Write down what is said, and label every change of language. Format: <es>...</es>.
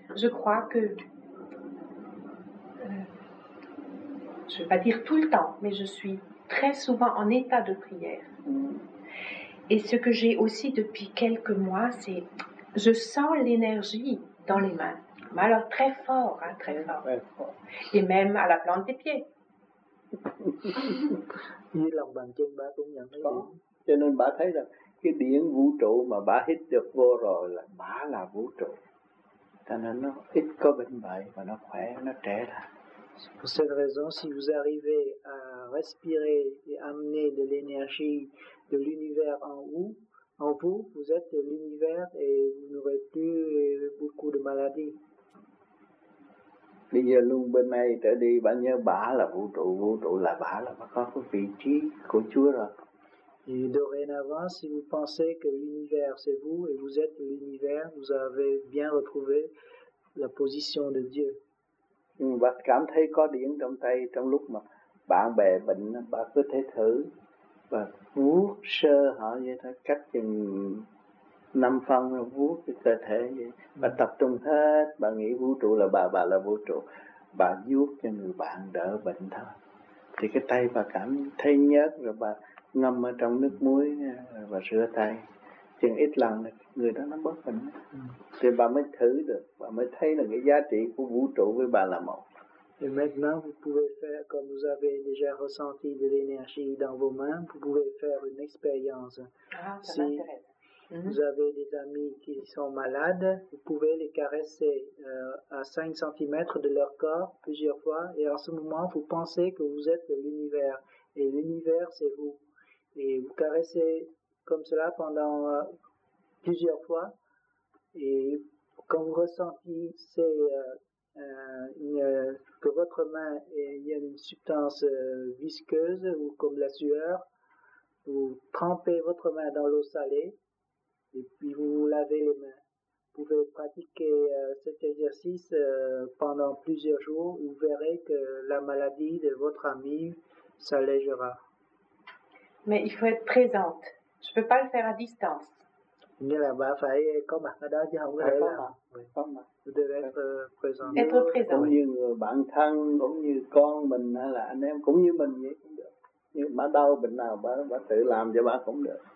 <fr>Je crois que je ne vais pas dire tout le temps, mais je suis très souvent en état de prière. Et ce que j'ai aussi depuis quelques mois, c'est je sens l'énergie dans les mains. Mais alors très fort, hein, très fort. Très fort. Et même à la plante des pieds.</fr> <vi>Như lòng bàn chân ba cũng nhận thấy. Cho nên bà thấy là cái điện vũ trụ mà bà hít được vô rồi là bà là vũ trụ. Cho nên nó ít có bệnh bệnh và nó khỏe, nó trẻ lại.</vi> <fr>Pour cette raison, si vous arrivez à respirer et amener de l'énergie de l'univers en vous, vous êtes l'univers et vous n'aurez plus beaucoup de maladies.</fr> <vi>Bây giờ luôn bên này trở đi, bà nhớ bà là vũ trụ là bà là bà có cái vị trí của Chúa rồi.</vi> <fr>Et dorénavant, si vous pensez que l'univers c'est vous et vous êtes l'univers, vous avez bien retrouvé la position de Dieu.</fr> <vi>Bà cảm thấy có điện trong tay trong lúc mà bạn bè bệnh, bà cứ thể thử và vuốt sơ họ như thế, cách chừng 5 phân vuốt cái cơ thể vậy. Bà tập trung hết, bà nghĩ vũ trụ là bà là vũ trụ. Bà vuốt cho người bạn đỡ bệnh thôi. Thì cái tay bà cảm thấy nhớt rồi bà ngâm ở trong nước muối và rửa tay. Chừng ít lần là người đó nó bớt bệnh. Thì bà mới thử được, bà mới thấy là cái giá trị của vũ trụ với bà là một.</vi> <fr>Et maintenant, vous pouvez faire, comme vous avez déjà ressenti de l'énergie dans vos mains, vous pouvez faire une expérience. Ah, ça m'intéresse. Vous avez des amis qui sont malades, vous pouvez les caresser à 5 cm de leur corps plusieurs fois, et en ce moment, vous pensez que vous êtes l'univers, et l'univers, c'est vous. Et vous caressez comme cela pendant plusieurs fois, et quand vous ressentez que votre main y a une substance visqueuse ou comme la sueur, vous trempez votre main dans l'eau salée et puis vous vous lavez les mains. Vous pouvez pratiquer cet exercice pendant plusieurs jours, vous verrez que la maladie de votre ami s'allégera. Mais il faut être présente. Je peux pas le faire à distance.</fr> <vi>Nghĩa là bà phải có mặt ở đó chứ không có thể là</vi> <fr>être présent.</fr> <vi>Cũng như người bạn thân, cũng như con mình hay là anh em, cũng như mình vậy cũng được. Nhưng mà đau bệnh nào bà tự làm cho bà cũng được.</vi>